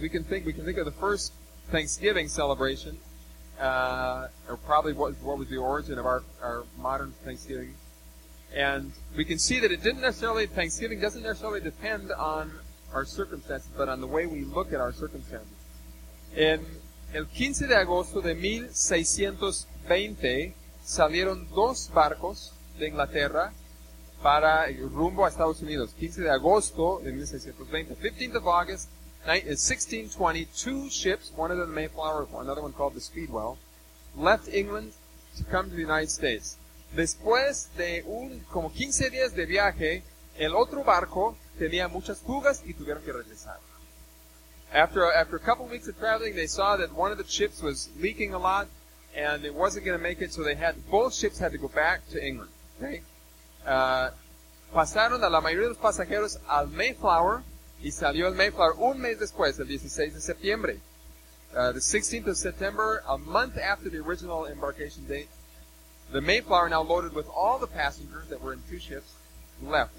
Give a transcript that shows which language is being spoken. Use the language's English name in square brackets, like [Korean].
[English] We can think of the first Thanksgiving celebration, or probably what was the origin of our modern Thanksgiving, and we can see that Thanksgiving doesn't necessarily depend on our circumstances, but on the way we look at our circumstances. [Spanish] En el 15 de agosto de 1620 salieron dos barcos de Inglaterra para rumbo a Estados Unidos. 15 de agosto de 1620, [English] 15th of August, 1620, two ships, one of them the Mayflower, another one called the Speedwell, left England to come to the United States. [Spanish] Después de como 15 días de viaje, el otro barco tenía muchas fugas y tuvieron que regresar. [English] After a couple of weeks of traveling, they saw that one of the ships was leaking a lot and it wasn't going to make it, so both ships had to go back to England. Okay? [Spanish] Pasaron a la mayoría de los pasajeros al Mayflower. Y salió el Mayflower un mes después, el 16 de septiembre. [English] The 16th of September, a month after the original embarkation date, the Mayflower, now loaded with all the passengers that were in two ships, left.